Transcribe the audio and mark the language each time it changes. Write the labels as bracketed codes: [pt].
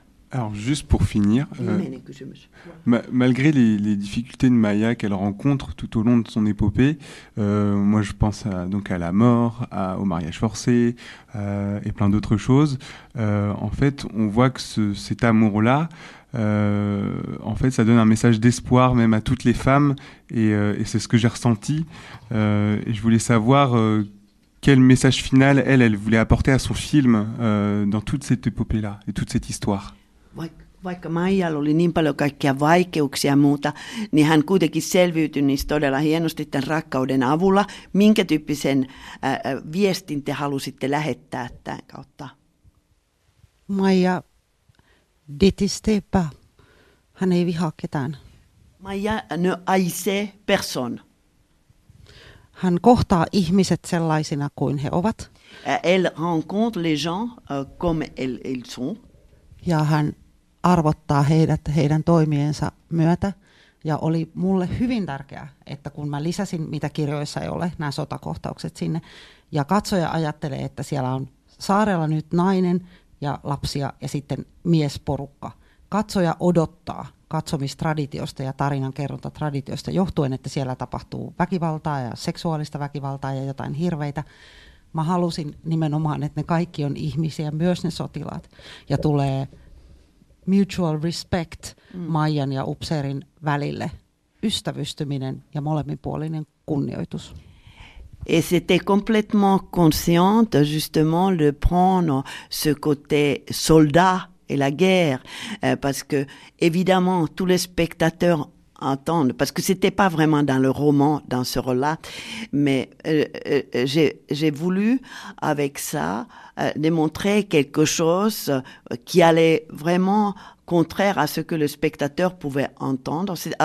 [fr] Alors, juste pour finir, malgré les difficultés de Maya qu'elle rencontre tout au long de son épopée, moi je pense à la mort, au mariage forcé et plein d'autres choses, en fait, on voit que cet amour-là, en fait, ça donne un message d'espoir même à toutes les femmes, et c'est ce que j'ai ressenti. Et je voulais savoir. Quel message final elle voulait apporter à son film dans toute cette épopée-là et toute cette histoire? [fi] Vaikka Maijalla oli niin paljon kaikkia vaikeuksia ja muuta, niin hän kuitenkin selviytyi todella hienosti tämän rakkauden avulla. Minkä tyyppisen viestin te halusitte lähettää tämän kautta? [fr] Maija détestait pas. [fi] Hän ei vihaa ketään. [fr] Maija ne haïssait personne. [fi] Hän kohtaa ihmiset sellaisina kuin he ovat. [fr] Elle rencontre les gens comme ils sont. [fi] Ja hän arvottaa heidät heidän toimiensa myötä. Ja oli mulle hyvin tärkeää, että kun mä lisäsin, mitä kirjoissa ei ole, nämä sotakohtaukset sinne. Ja katsoja ajattelee, että siellä on saarella nyt nainen ja lapsia ja sitten miesporukka. Katsoja odottaa katsomistraditiosta ja tarinankerrontatraditiosta johtuen, että siellä tapahtuu väkivaltaa ja seksuaalista väkivaltaa ja jotain hirveitä. Mä halusin nimenomaan, että ne kaikki on ihmisiä, myös ne sotilaat. Ja tulee [en] mutual respect [fi] Maijan ja upseerin välille, ystävystyminen ja molemminpuolinen kunnioitus. [fr] Et c'était complètement consciente justement de prendre ce côté soldat et la guerre, parce que évidemment tous les spectateurs entendent, parce que c'était pas vraiment dans le roman, dans ce rôle-là, mais j'ai voulu avec ça démontrer quelque chose qui allait vraiment contraire à ce que le spectateur pouvait attendre,